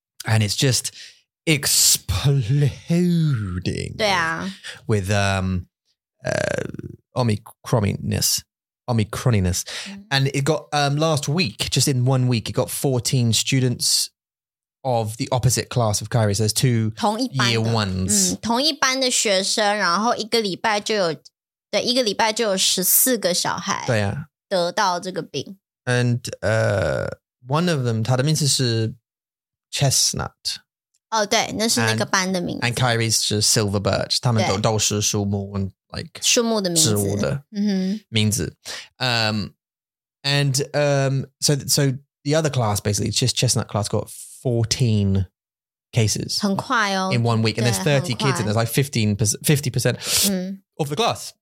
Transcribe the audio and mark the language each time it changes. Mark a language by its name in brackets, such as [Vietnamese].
[English] And it's just exploding. Yeah. With Omicroniness. Mm-hmm. And it got last week, just in 1 week, it got 14 students of the opposite class of Kyrie. So there's two [Chinese] 同一班的, [English] year ones. [Chinese] 同一班的学生, 然后一个礼拜就有14个小孩 得到这个病。 [English] And one of them, [Chinese] 他的名字是 [English] Chestnut. [Chinese] 哦，对，那是那个班的名字。 [English] And Kyrie's just Silver Birch. [Chinese] 他们都是树木 [English] and like [Chinese] 树木的名字。植物的名字。 [English] So the other class, basically, just Chestnut class, got 14 cases. [Chinese] 很快哦, [English] in 1 week. And there's 30 kids and there's like 50% of the class.